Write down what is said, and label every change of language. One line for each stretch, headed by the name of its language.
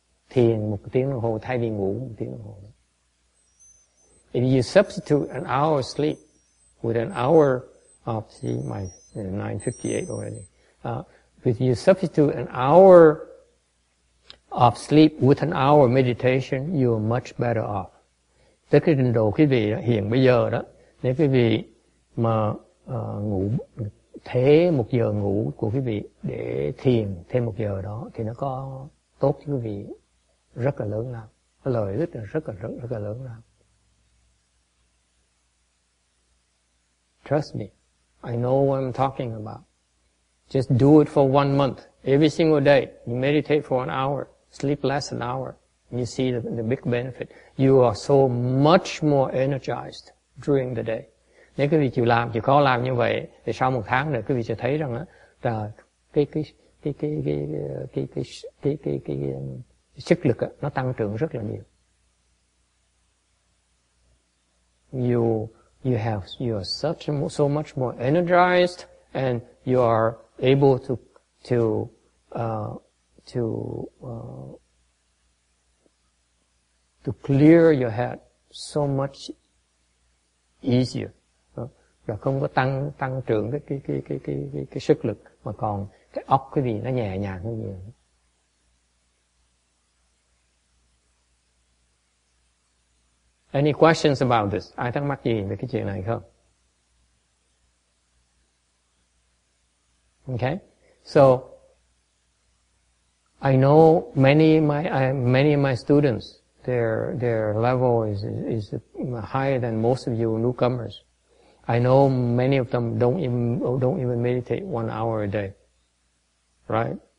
Vietnamese: Thiền một tiếng đồng hồ thay vì ngủ một tiếng đồng hồ.
English: If you substitute an hour of sleep with an hour of, see, my 9:58 already. If you substitute an hour of sleep with an hour of meditation, you are much better off.
Vietnamese: Tức cái trình độ quý vị hiện bây giờ đó, nếu quý vị mà ngủ thế một giờ ngủ của quý vị để thiền thêm một giờ đó thì nó có tốt cho quý vị rất là lớn lắm, lợi ích rất là lớn lắm.
English: Trust me, I know what I'm talking about. Just do it for 1 month. Every single day, you meditate for 1 hour, sleep less than an hour, and you see the big benefit. You are so much more energized during the day.
Vietnamese: Nếu quý vị chịu làm, chịu khó làm như vậy, thì sau một tháng nữa, quý vị sẽ thấy rằng là cái sức lực nó tăng trưởng rất là nhiều.
English: You are such so much more energized, and you are able to clear your head so much easier.
Vietnamese: Là không có tăng trưởng cái sức lực mà còn cái óc cái gì nó nhẹ nhàng hơn nhiều.
English: Any questions about this?
Vietnamese: Ai thắc mắc gì về cái chuyện này không?
English: Okay. So I know many of my students, their level is higher than most of you newcomers. I know many of them don't even meditate 1 hour a day. Right?